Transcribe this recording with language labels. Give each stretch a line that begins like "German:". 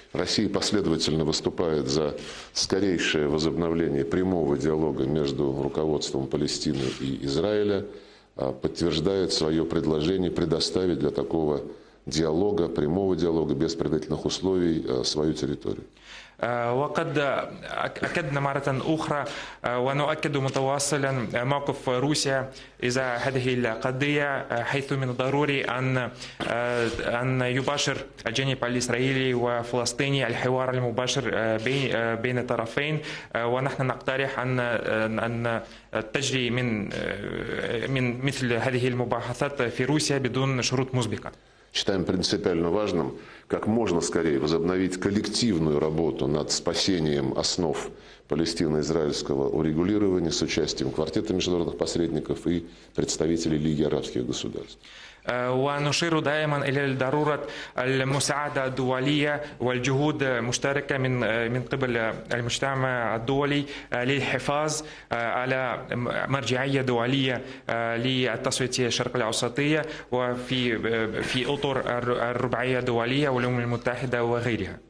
Russian: Россия последовательно выступает за скорейшее возобновление прямого диалога между руководством Палестины и Израиля, подтверждает свое предложение предоставить для такого диалога, прямого диалога, без предварительных условий, свою территорию.
Arabic: وقد أكدنا مرة أخرى ونؤكد متواصلا موقف روسيا إذا هذه القضية حيث من الضروري أن يباشر الجانب الإسرائيلي وفلسطيني الحوار المباشر بين الطرفين ونحن نقترح أن تجري من مثل هذه المباحثات في روسيا بدون شروط مسبقة.
Russian: Считаем принципиально важным как можно скорее возобновить коллективную работу над спасением основ палестино-израильского урегулирования с участием квартета международных посредников и представителей Лиги арабских государств.
Arabic: ونشير دائما إلى ضرورة المساعدة الدولية والجهود مشتركة من قبل المجتمع الدولي للحفاظ على مرجعية دولية للتصويت الشرق الأوسطية وفي أطر الرباعية الدولية والأمم المتحدة وغيرها.